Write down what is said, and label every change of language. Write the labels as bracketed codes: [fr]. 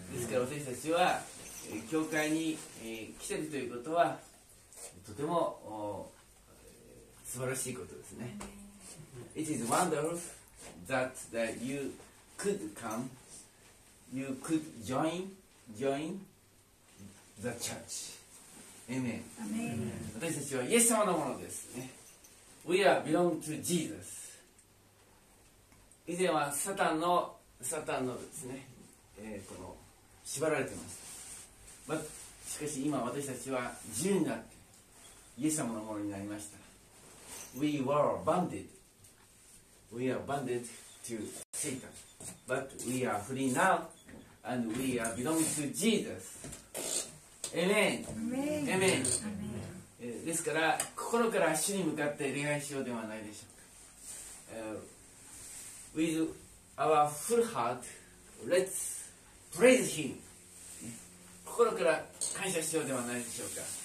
[ja] ですから私たちは、教会に、来ているということは、とても素晴らしいことですね。 [en] It is wonderful that, you could come, you could join the church. Amen. Amen. [ja] 私たちはイエス様のものですね。 [en] We are belong to Jesus. [ja] 以前はサタンのですね、この縛られていました。しかし今私たちは自由になってイエス様のものになりました。 [en] We were bonded. We are bonded to Satan. But we are free now and we are belong to Jesus. エメン、エメン。 [ja] ですから心から主に向かって礼拝しようではないでしょうか。 [en] With our full heart, let's praise Him。 [ja] 心から感謝しようではないでしょうか。